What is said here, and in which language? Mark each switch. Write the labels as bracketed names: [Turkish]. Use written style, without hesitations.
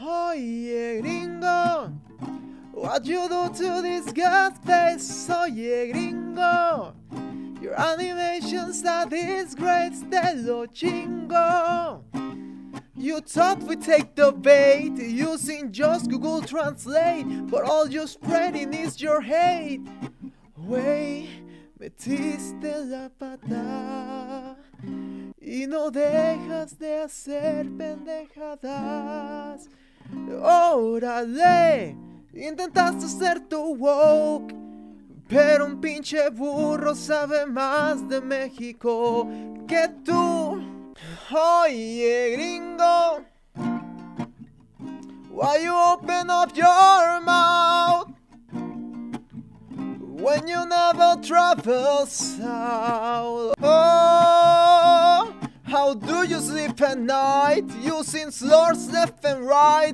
[English] Oye Gringo, what you do to this god face? Oye Gringo, your animation's a disgrace, [Spanish] de lo chingo. [English] You thought we take the bait using just Google Translate, but all you're spreading is your hate. [Spanish] Wey, metiste la pata y no dejas de hacer pendejadas. Órale, intentaste ser tu woke, pero un pinche burro sabe más de México que tú. [English] Oye gringo, why you open up your mouth when you never travel south? Oh, how do you sleep at night using slurs left and right?